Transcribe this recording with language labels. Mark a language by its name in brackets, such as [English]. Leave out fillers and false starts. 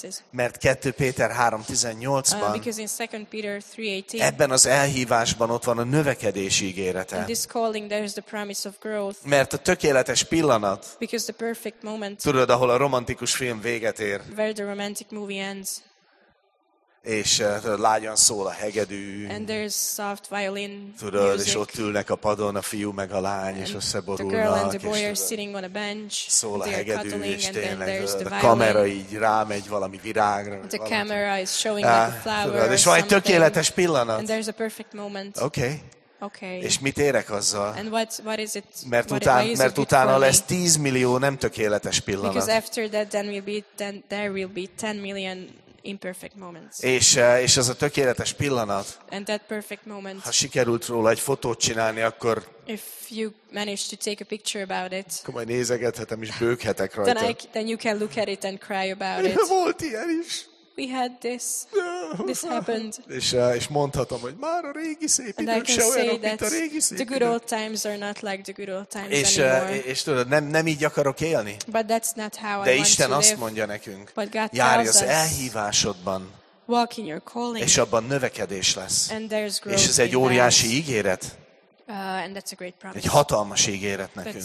[Hungarian] Mert 2 Péter 3:18-ban ebben az elhívásban ott van a növekedés ígérete. [English] In this calling, there is the promise of growth. [Hungarian] Mert a tökéletes pillanat, [English] because the perfect moment, [Hungarian] tudod, ahol a romantikus film véget ér, [English] where the romantic movie ends, [Hungarian] és lágyan szól a hegedű, [English] and there's soft violin [Hungarian] tudod, [English] music, [Hungarian] és ott ülnek a padon a fiú meg a lány, és összeborulnak, és szól a hegedű, és tényleg a kamera így rámegy valami virágra. [English] The camera is showing like a flower, [Hungarian] tudod, és van egy tökéletes pillanat. [English] And there's a perfect moment. Okay. Okay. [Hungarian] És mit érek azzal? [English] And what is it, [Hungarian] mert [English] what [Hungarian] után, [English] it, [Hungarian] mert utána lesz 10 millió nem tökéletes pillanat. [English] Because after that then will be then there will be 10 million imperfect moments. [Hungarian] És az a tökéletes pillanat, [English] and that perfect moment, [Hungarian] ha sikerült róla egy fotót csinálni, akkor [English] if you manage to take a picture about it, [Hungarian] akkor majd nézegethetem és bőghetek rajta. [English] Then you can look at it and cry about it. [Hungarian] Volt ilyen is. [English] we had this. This happened. [Hungarian] És mondhatom, hogy már a régi szép idők se olyanok, mint a régi szép. [English] The good old times are not like the good old times [Hungarian] és, [English] anymore. [Hungarian] És tudod, nem így akarok élni. [English] But that's not how [Hungarian] de [English] I [Hungarian] Isten [English] want to [Hungarian] azt [English] live. [Hungarian] Mondja nekünk. Járj az elhívásodban. [English] Walk in your calling. [Hungarian] És abban növekedés lesz. [English] And there's growth. [Hungarian] És ez egy óriási ígéret. [English] And that's a great promise. [Hungarian] Egy hatalmas ígéret nekünk.